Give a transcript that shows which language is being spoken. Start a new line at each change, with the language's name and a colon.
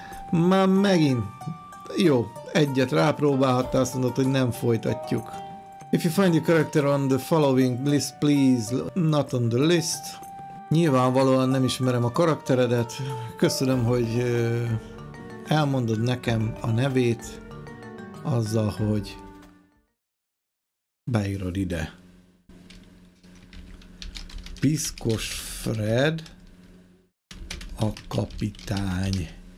Hungarian: Már megint. Jó, egyet rápróbálhattál, azt mondod, hogy nem folytatjuk.
English: If you find your character on the following list, please, not on the list.
Hungarian: Nyilvánvalóan nem ismerem a karakteredet. Köszönöm, hogy elmondod nekem a nevét azzal, hogy beírod ide. Piszkos Fred a kapitány.